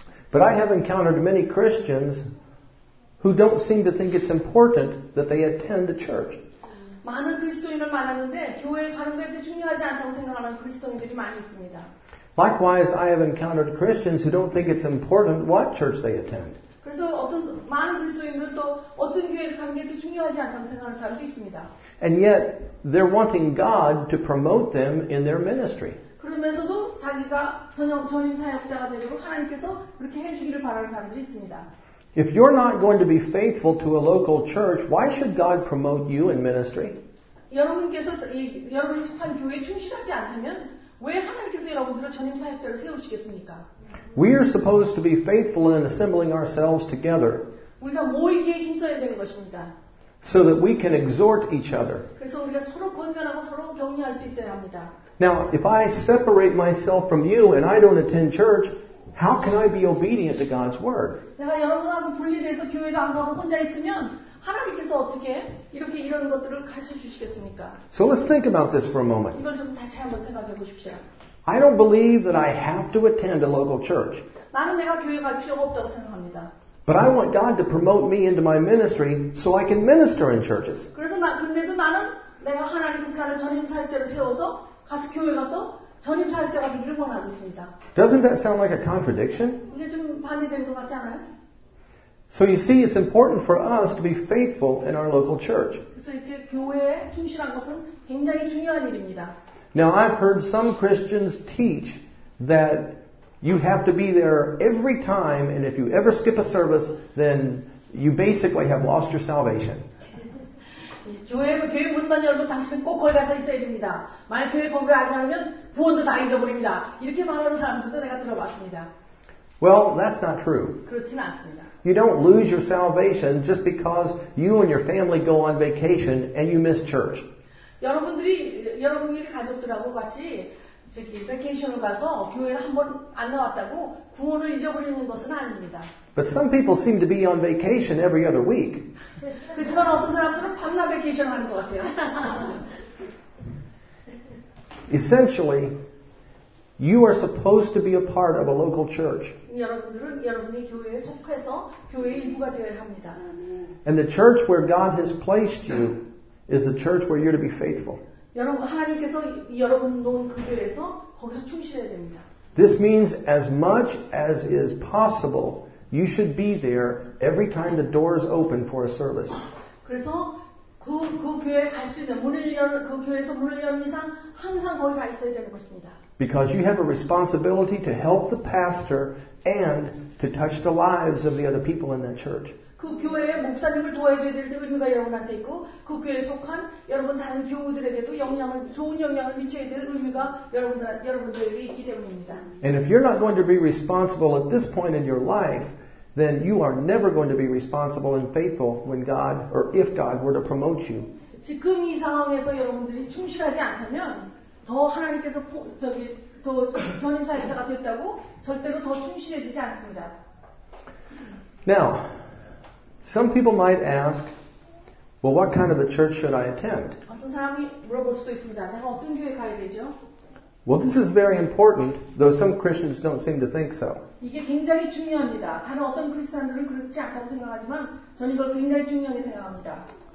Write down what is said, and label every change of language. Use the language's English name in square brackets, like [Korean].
[English] But I have encountered many Christians who don't seem to think it's important that they attend the church. [Korean] 많은 그리스도인을 만났는데 교회에 가는 것이 중요하지 않다고 생각하는 그리스도인들이 많이 있습니다. [English] Likewise, I have encountered Christians who don't think it's important what church they attend. [Korean] 그래서 어떤 많은 그리스도인들은 또 어떤 교회를 가는 게 중요하지 않다고 생각하는 사람도 있습니다. [English] And yet, they're wanting God to promote them in their ministry. [Korean] 그러면서도 자기가 전임 사역자가 되려고 하나님께서 그렇게 해주기를 바라는 사람도 있습니다. [English] If you're not going to be faithful to a local church, why should God promote you in ministry? [Korean] 여러분께서 여러분 속한 교회에 충실하지 않다면 왜 하나님께서 여러분들을 전임 사역자를 세우시겠습니까? [English] We are supposed to be faithful in assembling ourselves together. [Korean] 우리가 모이기에 힘써야 되는 것입니다. [English] So that we can exhort each other. [Korean] 그래서 우리가 서로 권면하고 서로 격려할 수 있어야 합니다. [English] Now, if I separate myself from you and I don't attend church, how can I be obedient to God's word? [Korean] 내가 여러분하고 분리돼서 교회도 안 가고 혼자 있으면 하나님께서 어떻게 이렇게 이런 것들을 가르쳐 주시겠습니까? [English] So let's think about this for a moment. [Korean] 이걸 좀 다시 한번 생각해 보십시오. [English] I don't believe that I have to attend a local church. [Korean] 나는 내가 교회 갈 필요가 없다고 생각합니다. [English] But I want God to promote me into my ministry so I can minister in churches. [Korean] 그래서 근데도 나는 내가 하나님께서 나를 전임 사역자로 세워서 가서 교회 가서 전임 사역자가 되기를 원하고 있습니다. [English] Doesn't that sound like a contradiction? [Korean] 이게 좀 반대되는 것 같지 않아요? [English] So you see, it's important for us to be faithful in our local church. [Korean] 그래서 이렇게 교회에 충실한 것은 굉장히 중요한 일입니다. [English] Now I've heard some Christians teach that you have to be there every time, and if you ever skip a service, then you basically have lost your salvation. [Korean] 교회 문 열면 당신 꼭 거기 가서 있어야 됩니다. 만약 교회 거기 가지 않으면 구원도 다 잊어버립니다. 이렇게 말하는 사람들도 내가 들어봤습니다. [English] Well, that's not true. [Korean] 그렇진 않습니다. [English] You don't lose your salvation just because you and your family go on vacation and you miss church. [Korean] 여러분들이 가족들하고 같이 저기 베케이션을 가서 교회를 한 번 안 나왔다고 구원을 잊어버리는 것은 아닙니다. [English] But some people seem to be on vacation every other week. [Korean] 그래서 어떤 사람들은 밤낮 베케이션 하는 것 같아요. [English] Essentially, you are supposed to be a part of a local church. [Korean] 여러분들은 여러분이 교회에 속해서 교회의 일부가 되어야 합니다. [English] And the church where God has placed you is the church where you're to be faithful. [Korean] 여러분 하나님께서 여러분 놓은 그 교회에서 거기서 충실해야 됩니다. [English] This means as much as is possible, you should be there every time the doors open for a service. [Korean] 그래서 그 교회에 갈 수 있는 문을 열 그 교회에서 문을 열 이상 항상 거기 가 있어야 되는 것입니다. [English] Because you have a responsibility to help the pastor and to touch the lives of the other people in that church. [Korean] 그 교회에 목사님을 도와줘야 될 의무가 여러분한테 있고 그 교회에 속한 여러분 다른 교우들에게도 좋은 영향을 미쳐야 될 의무가 여러분들에게 있기 때문입니다. [English] And if you're not going to be responsible at this point in your life, then you are never going to be responsible and faithful when God or if God were to promote you. [Korean] 지금 이 상황에서 여러분들이 충실하지 않다면 더 하나님께서 더 전임 사역자가 됐다고 절대로 더 충실해지지 않습니다. [English] Now, some people might ask, well, what kind of a church should I attend? [Korean] 어떤 사람이 물어볼 수도 있습니다. 내가 어떤 교회 가야 되죠? [English] Well, this is very important, though some Christians don't seem to think so. [Korean] 이게 굉장히 중요합니다. 다른 어떤 크리스천들은 그렇지 않다고 생각하지만 저는 이걸 굉장히 중요하게 생각합니다.